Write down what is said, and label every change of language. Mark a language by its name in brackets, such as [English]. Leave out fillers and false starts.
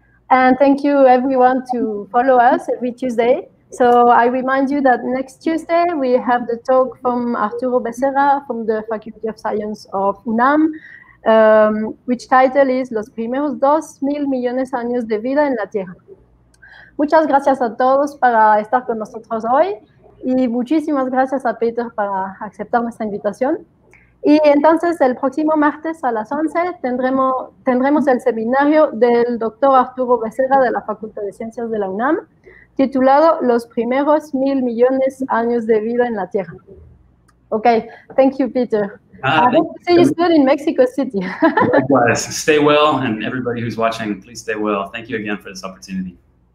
[English] And thank you, everyone, to follow us every Tuesday. So I remind you that next Tuesday, we have the talk from Arturo Becerra from the Faculty of Science of UNAM, which title is Los primeros 2,000,000 años de vida en la Tierra. [Spanish] Muchas gracias a todos para estar con nosotros hoy y muchísimas gracias a Peter para aceptar nuestra invitación. Y entonces, el próximo martes a las 11 tendremos el seminario del doctor Arturo Becerra de la Facultad de Ciencias de la UNAM, titulado Los primeros 1,000,000,000 años de vida en la Tierra. [English] Okay, thank you, Peter. I hope to see you soon in Mexico City. Likewise. Stay well, and everybody who's watching, please stay well. Thank you again for this opportunity.